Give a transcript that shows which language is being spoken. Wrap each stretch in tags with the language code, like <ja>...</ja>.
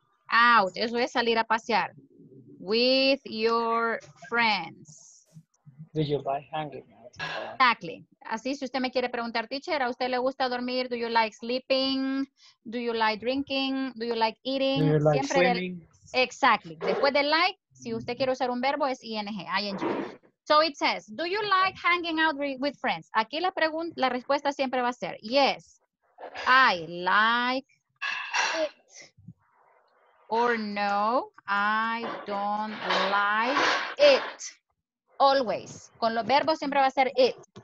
<es>Out, eso es salir a pasear.</es> <en>With your friends. Do you like hanging out? Exactly.</en> <es>Así, si usted me quiere preguntar, teacher, ¿a usted le gusta dormir?</es> <en>Do you like sleeping? Do you like drinking? Do you like eating? Do you like</en> <es>siempre</es> <en>swimming? Exactly.</en> <es>Después de like, si usted quiere usar un verbo, es ing, ing.</es> <en>So it says, do you like hanging out with friends?</en> <es>Aquí la pregunta, la respuesta siempre va a ser,</es> <en>yes, I like it. Or no, I don't like it. Always.</en> <es>Con los verbos siempre va a ser it.</es>